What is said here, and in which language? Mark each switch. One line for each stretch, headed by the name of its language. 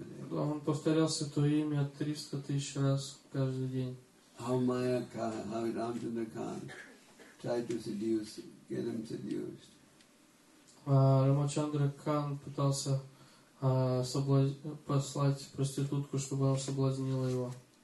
Russian: Он повторял святое имя 300 тысяч раз каждый день.
English: How Maya Khan, how Ramchandra Khan tried to seduce him, get him seduced.
Russian: Рамачандра Кан пытался послать проститутку, чтобы она соблазнила его.